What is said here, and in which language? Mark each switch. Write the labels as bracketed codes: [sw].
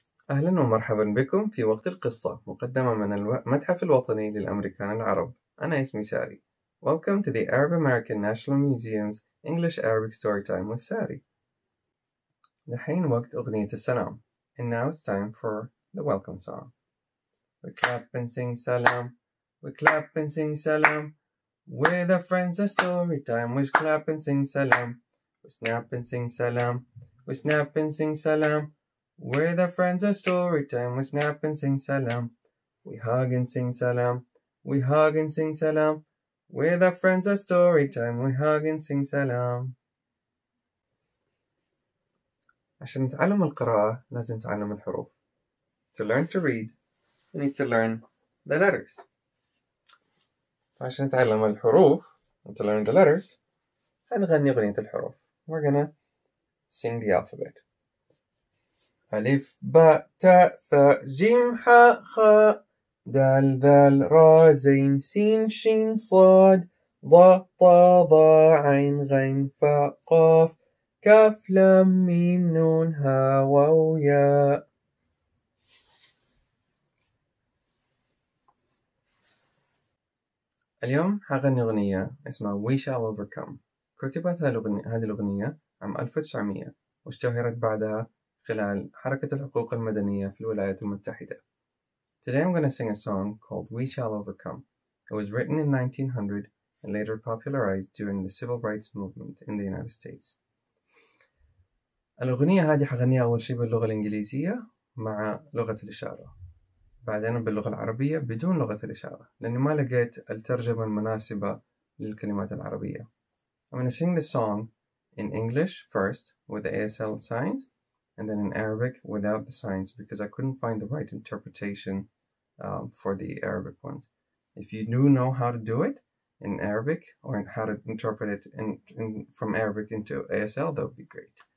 [ar] أهلاً ومرحباً بكم في وقت القصة مقدمة من المتحف الوطني للأمريكان العرب. أنا اسمي ساري. [en] Welcome to the Arab American National Museum's English Arabic Storytime with Sari. [ar] الحين وقت أغنية السلام. [en] And now it's time for the welcome song. We clap and sing salam. We clap and sing salam. We're the friends of story time. We clap and sing salam. We snap and sing salam. We snap and sing salam. We're the friends of story time. We snap and sing salam. We hug and sing salam. We hug and sing salam. We're the friends of story time. We hug and sing salam. [ar] عشان نتعلم القراءة لازم نتعلم الحروف. [en] To learn to read, we need to learn the letters. [ar] عشان نتعلم الحروف, [en] and to learn the letters, [ar] هنغني أغنية الحروف. [en] We're gonna sing the alphabet. [ar] ألف باء تاء ثاء جيم حاء خاء دال ذال را زين سين شين صاد ضاء طاء ضاء عين غين فاء قاف كاف لام ميم نون هاء واو ياء. اليوم حغني أغنية اسمها We Shall Overcome. كتبت هذه الأغنية عام 1900 واشتهرت بعدها خلال حركة الحقوق المدنية في الولايات المتحدة. [en] Today I'm going to sing a song called We Shall Overcome. It was written in 1900 and later popularized during the civil rights movement in the United States. [ar] الأغنية هذه حغنيها أول شيء باللغة الإنجليزية مع لغة الإشارة. بعدين باللغة العربية بدون لغة الإشارة لأني ما لقيت الترجمة المناسبة للكلمات العربية. [en] I'm going to sing the song in English first with the ASL signs. And then in Arabic without the signs because I couldn't find the right interpretation for the Arabic ones. If you do know how to do it in Arabic or in how to interpret it in from Arabic into ASL, that would be great.